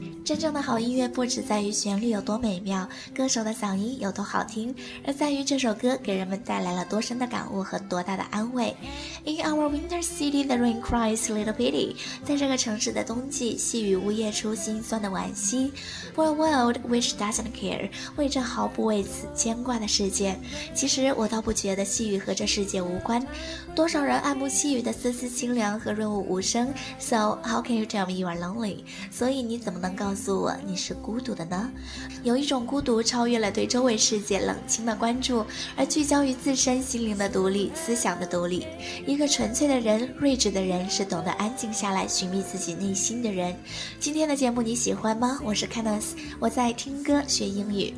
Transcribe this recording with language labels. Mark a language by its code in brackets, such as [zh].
[zh] 真正的好音乐不只在于旋律有多美妙，歌手的嗓音有多好听，而在于这首歌给人们带来了多深的感悟和多大的安慰。 [en] In our winter city, the rain cries little pity. [zh] 在这个城市的冬季，细雨呜咽出心酸的惋惜。 [en] For a world which doesn't care, [zh] 为这毫不为此牵挂的世界。其实我倒不觉得细雨和这世界无关，多少人爱慕细雨的丝丝清凉和润物无声。 [en] So how can you tell me you are lonely? [zh] 所以你怎么能告诉我你是孤独的呢？有一种孤独超越了对周围世界冷清的关注，而聚焦于自身心灵的独立，思想的独立。一个纯粹的人，睿智的人，是懂得安静下来寻觅自己内心的人。今天的节目你喜欢吗？我是 Candice， 我在听歌学英语。